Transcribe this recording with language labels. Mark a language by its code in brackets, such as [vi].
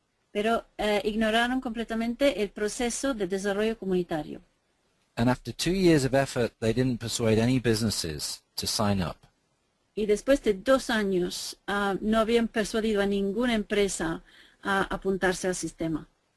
[es] Pero ignoraron completamente el proceso de desarrollo comunitario. [en] And after 2 years of effort, they didn't persuade any businesses to sign up. [es] Y después de 2 años, no habían persuadido a ninguna empresa a apuntarse al sistema.